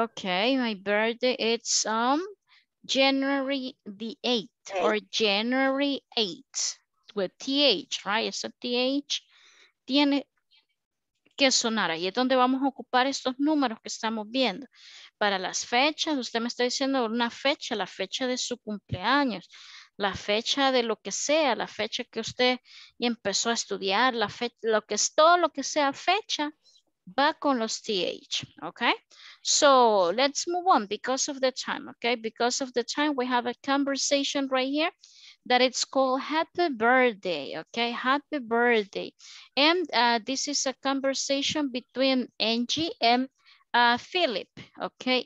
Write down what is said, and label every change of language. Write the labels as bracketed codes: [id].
[en] Okay, my birthday is January the 8th or January 8th. [es] With TH, right? Esa TH tiene que sonar. Ahí es donde vamos a ocupar estos números que estamos viendo. Para las fechas, usted me está diciendo una fecha, la fecha de su cumpleaños, la fecha de lo que sea, la fecha que usted empezó a estudiar, la fecha, lo que es todo lo que sea fecha, va con los TH, okay? [en] So let's move on because of the time, okay? Because of the time, we have a conversation right here. That it's called happy birthday, okay? Happy birthday. And this is a conversation between Angie and Philip, okay?